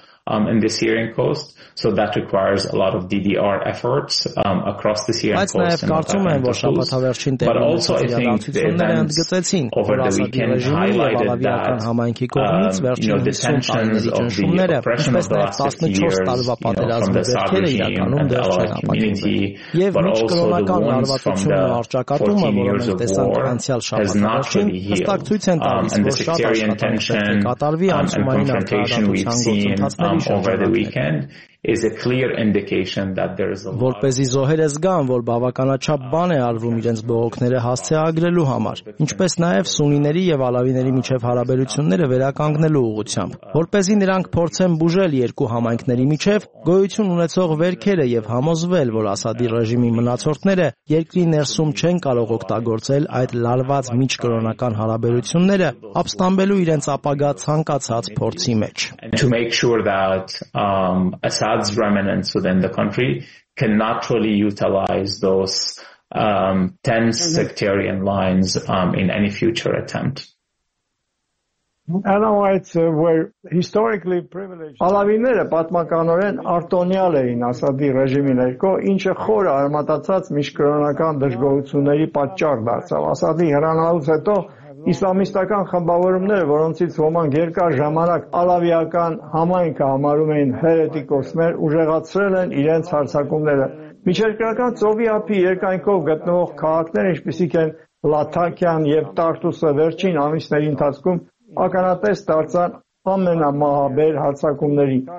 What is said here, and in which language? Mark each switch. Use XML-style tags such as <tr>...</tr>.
<en>In the Syrian coast, so that requires a lot of DDR efforts across the Syrian coast.</en> <hy>Այսպես կարծում եմ, որ շաբաթավերջին տեղի ընդգծեցին, որ ասակին ռեժիմը ավելի համայնքի կողմից վերջին դիտումների ճնշումները, ինչպես նաև 14 տարվա պատերազմի վերքերը իրականում դեռ չեն ապակինվել, եւ մինչ կրոնական լարվածությունը արճակատումը, որոնք տեսանք անցյալ շաբաթավերջին, հստակ ցույց են տալիս, որ շատ աշխատանք է կատարվի անցումային արդարացման գործընթացների</hy> <en>over the weekend is a clear indication that there is a lot.</en> <hy>Որպեսզի զոհերը զգան, որ բավականաչափ բան է արվում իրենց բողոքները հասցեագրելու համար, ինչպես նաև սունիների եւ ալավիների միջև հարաբերությունները վերականգնելու ուղղությամբ, որպեսզի նրանք փորձեն բուժել երկու համայնքների միջև գոյություն ունեցող վերքերը եւ համոզվել, որ ասադի ռեժիմի մնացորդները երկրի ներսում չեն կարող օգտագործել այդ լարված միջկրոնական հարաբերությունները, ապստամբելու իրենց ապագա ցանկացած փորձի մեջ.</hy> <en>Assad's remnants within the country can naturally utilize those tense sectarian lines in any future attempt. Alawites were historically privileged.</en> <hy>Alawinerը պատմականորեն արտոնյալ էին Ասադի ռեժիմի ներքո, ինչը խոր արմատացած միջկրոնական դժգոհությունների պատճառ դարձավ։ Ասադի հեռանալուց հետո Իսլամիստական խմբավորումները, որոնցից ոմանք երկար ժամանակ Ալավիական համայնքը համարում էին հերետիկոսներ, ուժեղացրել են իրենց հարձակումները։ Միջերկրական ծովի ափի երկայնքով գտնվող քաղաքներ, ինչպիսիք են Լաթակիան եւ Տարտուսը, վերջին ամիսների ընթացքում ականատես դարձան ամենամահաբեր հարձակումների։</hy>